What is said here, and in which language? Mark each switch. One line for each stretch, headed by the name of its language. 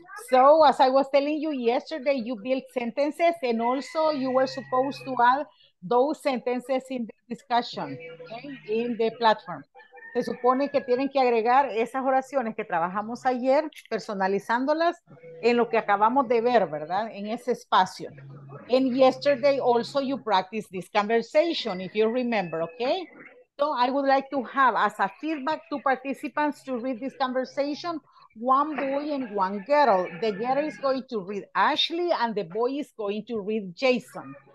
English: So as I was telling you yesterday, you build sentences and also you were supposed to add those sentences in the discussion, okay, in the platform.
Spanish: Se supone que tienen que agregar esas oraciones que trabajamos ayer, personalizándolas en lo que acabamos de ver, ¿verdad? En ese espacio.
English: And yesterday also you practiced this conversation, if you remember, okay? So I would like to have as a feedback to participants to read this conversation, one boy and one girl. The girl is going to read Ashley and the boy is going to read Jason.